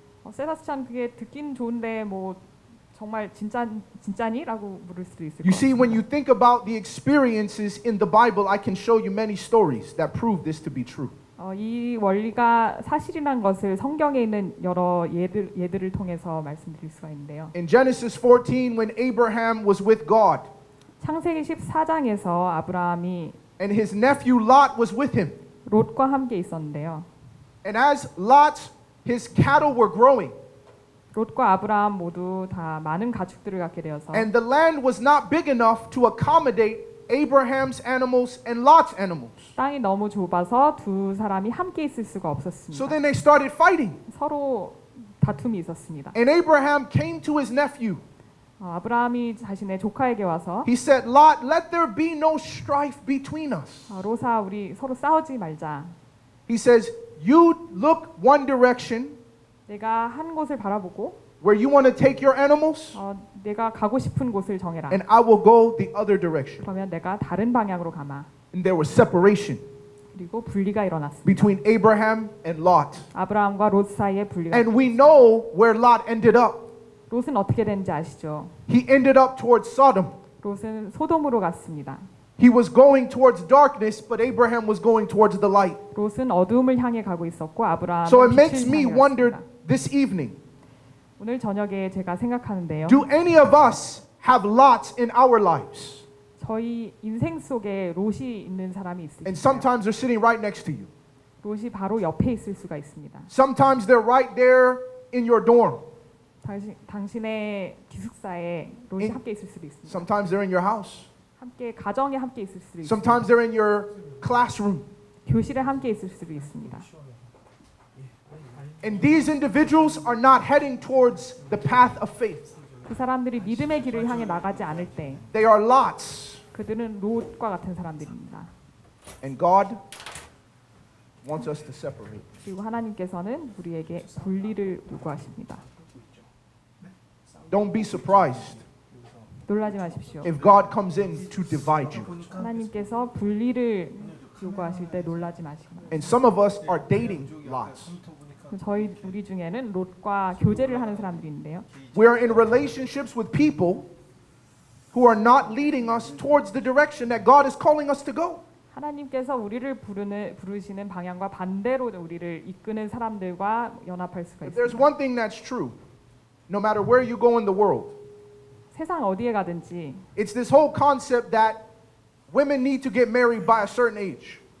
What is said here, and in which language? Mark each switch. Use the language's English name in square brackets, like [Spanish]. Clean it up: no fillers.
[Korean] 세바스찬 그게 듣긴 좋은데 뭐 정말 진짜니? 라고 물을 수도 있을 것 같아요. [English] You see, when you think about the experiences in the Bible, I can show you many stories that prove this to be true. [Korean] 이 원리가 사실이라는 것을 성경에 있는 여러 예들을 통해서 말씀드릴 수가 있는데요. [English] In Genesis 14, when Abraham was with God, [Korean] 창세기 14장에서 아브라함이 [English] and his nephew Lot was with him. [Korean] 롯과 함께 있었는데요. [English] And as Lot, his cattle were growing. [Korean] 롯과 아브라함 모두 다 많은 가축들을 갖게 되어서 [English] And the land was not big enough to accommodate Abraham's animals and Lot's animals. [Korean] 땅이 너무 좁아서 두 사람이 함께 있을 수가 없었습니다. [English] So then they started fighting. [Korean] 서로 다툼이 있었습니다. [English] And Abraham came to his nephew. [Korean] 아브라함이 자신의 조카에게 와서 [English] He said, "Lot, let there be no strife between us." [Korean] 롯아, 우리 서로 싸우지 말자. [English] He says, "You look one direction." [Korean] 내가 한 곳을 바라보고 [English] Where you want to take your animals? [Korean] 내가 가고 싶은 곳을 정해라. [English] And I will go the other direction. [Korean] 그러면 내가 다른 방향으로 가마. [English] And there was separation. [Korean] 그리고 분리가 일어났습니다. [English] Between Abraham and Lot. [Korean] 아브라함과 롯 사이에 분리가 [English] And we know where Lot ended up. [Korean] 롯은 어떻게 된지 아시죠? [English] He ended up towards Sodom. [Korean] 롯은 소돔으로 갔습니다. [English] He was going towards darkness, but Abraham was going towards the light. [Korean] 롯은 어둠을 향해 가고 있었고 아브라함은 빛을 향해 갔습니다. [English] So it makes me wonder this evening. [Korean] 오늘 저녁에 제가 생각하는데요. [English] Do any of us have lots in our lives? [Korean] 저희 인생 속에 롯이 있는 사람이 있을까요? [English] And sometimes they're sitting right next to you. [Korean] 롯이 바로 옆에 있을 수가 있습니다. [English] Sometimes they're right there in your dorm. [Korean] 당신의 기숙사에 롯이 in, 함께 있을 수도 있습니다. [English] Sometimes they're in your house. [Korean] 함께 가정에 함께 있을 수도 있습니다. [English] Sometimes they're in your classroom. [Korean] 교실에 함께 있을 수도 있습니다. [English] And these individuals are not heading towards the path of faith. [Korean] 그 사람들이 믿음의 길을 향해 나가지 않을 때 [English] They are lots. [Korean] 그들은 롯과 같은 사람들입니다. [English] And God wants us to separate. [Korean] 그리고 하나님께서는 우리에게 분리를 요구하십니다. [English] Don't be surprised. [Korean] 놀라지 마십시오. [English] If God comes in to divide you. [Korean] 하나님께서 분리를 요구하실 때 놀라지 마십시오. [English] And some of us are dating lots. [Korean] 저희 우리 중에는 롯과 교제를 하는 사람들인데요. [English] We are in relationships with people who are not leading us towards the direction that God is calling us to go. [Korean] 하나님께서 우리를 부르시는 방향과 반대로 우리를 이끄는 사람들과 연합할 수가 있습니다. [English] There's one thing that's true. No matter where you go in the world. [Korean] 세상 어디에 가든지. [English] It's this whole concept that women need to get married by a certain age.